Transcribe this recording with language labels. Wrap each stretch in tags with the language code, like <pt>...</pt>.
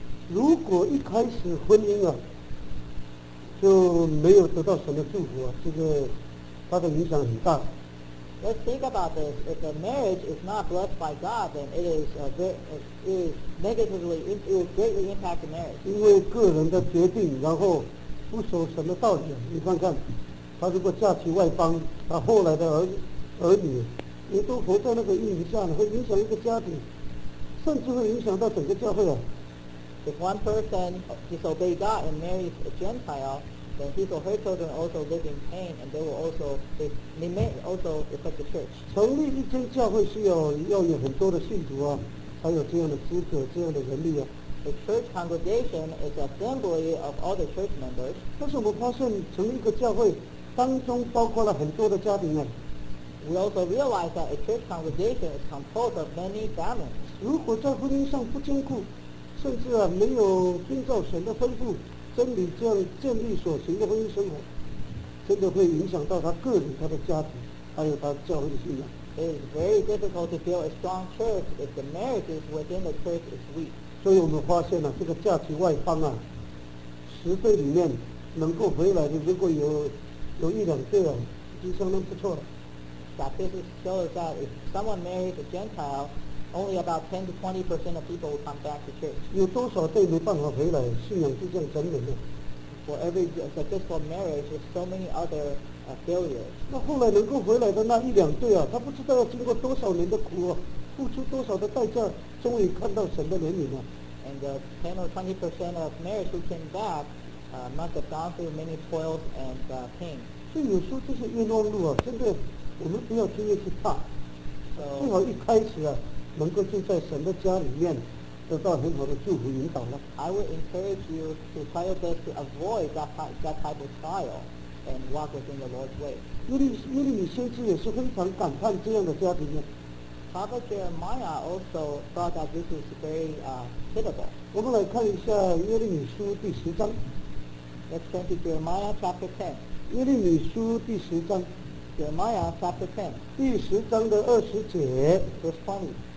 <zh>如果一开始婚姻啊，就没有得到神的祝福啊，这个它的影响很大。</zh> <en>Let's think about this. If a marriage is not blessed by God, then it is greatly impact the marriage.</en> <zh>因为个人的决定，然后不守神的道理，你看看，他如果嫁娶外邦，他后来的儿女，也都活在那个阴影下，会影响一个家庭，甚至会影响到整个教会啊。</zh> <en>If one person disobeys God and marries a Gentile, then his or her children also live in pain, and they may also affect the church.</en> <zh>成立一间教会需要有很多的信徒啊，还有这样的资格、这样的人力啊。</zh> <en>The church congregation is an assembly of all the church members.</en> <zh>但是我们发现成立一个教会当中包括了很多的家庭啊。</zh> <en>We also realize that a church congregation is composed of many families.</en> <zh>如果在婚姻上不坚固，甚至啊没有遵照神的吩咐真理这样建立所行的婚姻生活，真的会影响到他个人、他的家庭，还有他教会的信仰。</zh> <en>It is very difficult to build a strong church if the marriage within the church is weak.</en> <zh>所以我们发现了、啊、这个嫁娶外邦啊，十对里面能够回来的，如果有一两对啊，已经相当不错了。</zh> <en>Statistics show that if someone marries a Gentile, only about 10-20% of people will come back to church.</en> <zh>有多少对没办法回来，信仰就这样沉沦了。</zh> <en>For every successful marriage, there's so many other failures.</en> <zh>那后来能够回来的那一两对啊，他不知道要经过多少年的苦啊，付出多少的代价，终于看到神的怜悯了。</zh> <en>And the 10-20% of marriage who came back must have gone through many toils and pain.</en> <zh>所以有时候这是冤枉路啊，真的。我们不要轻易去怕，</zh> <en>so,</en> <zh>最好一开始啊，能够就在神的家里面得到很好的祝福引导了。</zh> <en>I would encourage you to try your best to avoid that type of trial and walk within the Lord's way.</en> <zh>耶利米先知也是非常感叹这样的家庭啊。</zh> <en>Prophet Jeremiah also thought that this is very pitiable.</en> <zh>我们来看一下耶利米书第十章。</zh> <en>Let's turn to Jeremiah chapter 10.</en> <zh>耶利米书第十章。</zh> <en>Jeremiah chapter 10,</en> <zh>第十章的二十节</zh> <en>verse 20.</en>